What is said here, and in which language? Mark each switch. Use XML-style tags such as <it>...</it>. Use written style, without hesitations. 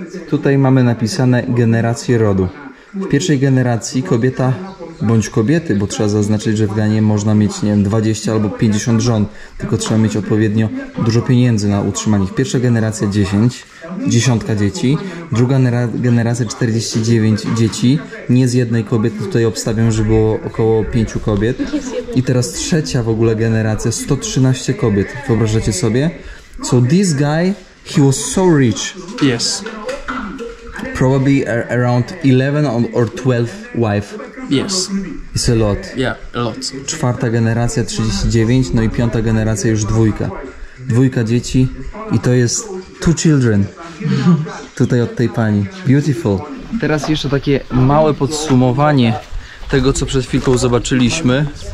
<pl>Tutaj mamy napisane generacje rodu. W pierwszej generacji kobieta, bądź kobiety, bo trzeba zaznaczyć, że w Ganie można mieć, nie wiem, 20 albo 50 żon, tylko trzeba mieć odpowiednio dużo pieniędzy na utrzymanie ich. Pierwsza generacja 10, dziesiątka dzieci, druga generacja 49 dzieci, nie z jednej kobiety, tutaj obstawiam, że było około 5 kobiet. I teraz trzecia w ogóle generacja, 113 kobiet, wyobrażacie sobie?</pl> <en>So this guy, he was so rich. Yes. Probably around 11 or 12 wife. Yes. It's a lot. Yeah, a lot.</en> <pl>Czwarta generacja 39, no i piąta generacja już dwójka. Dwójka dzieci i to jest</pl> <en>two children.</en> <pl>Tutaj od tej pani.</pl> <en>Beautiful.</en> <pl>Teraz jeszcze takie małe podsumowanie tego, co przed chwilką zobaczyliśmy.</pl>